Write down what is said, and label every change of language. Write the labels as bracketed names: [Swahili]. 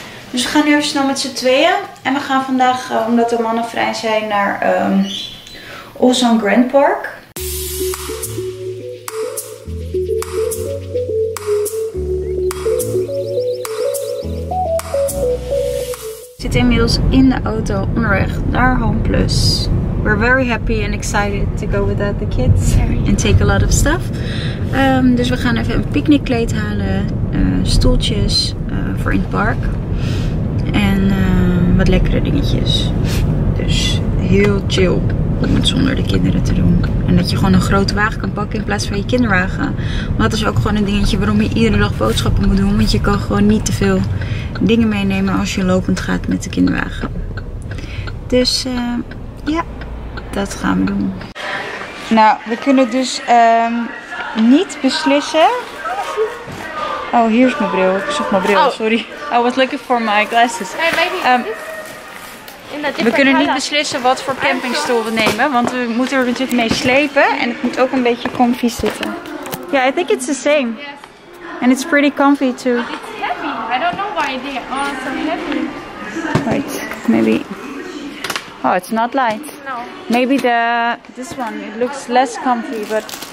[Dutch] Dus we gaan nu even snel met z'n tweeën. En we gaan vandaag, omdat de mannen vrij zijn, naar Ulsan Grand Park. We zitten inmiddels in de auto onderweg naar Home Plus. [English] We're very happy and excited to go without the kids. Sorry. And take a lot of stuff. [Dutch] Dus we gaan even een picknickkleed halen. Stoeltjes voor in het park. En wat lekkere dingetjes. Dus heel chill om het zonder de kinderen te doen. En dat je gewoon een grote wagen kan pakken in plaats van je kinderwagen. Maar dat is ook gewoon een dingetje waarom je iedere dag boodschappen moet doen. Want je kan gewoon niet te veel dingen meenemen als je lopend gaat met de kinderwagen. Dus ja. Dat gaan we doen. Nou, we kunnen dus niet beslissen. Oh, hier is mijn bril. Ik zocht mijn bril, oh. [English] Sorry. I was looking for my glasses. Hey, [Dutch] we kunnen niet beslissen wat voor campingstoel we nemen. Want we moeten er natuurlijk mee slepen. En het moet ook een beetje comfy zitten. [English] Ja, yeah, I think it's the same. Yes. And it's pretty comfy too. It's heavy. I don't know why they are so heavy. Wait, maybe. Oh, it's not light. No. Maybe this one, it looks less comfy, but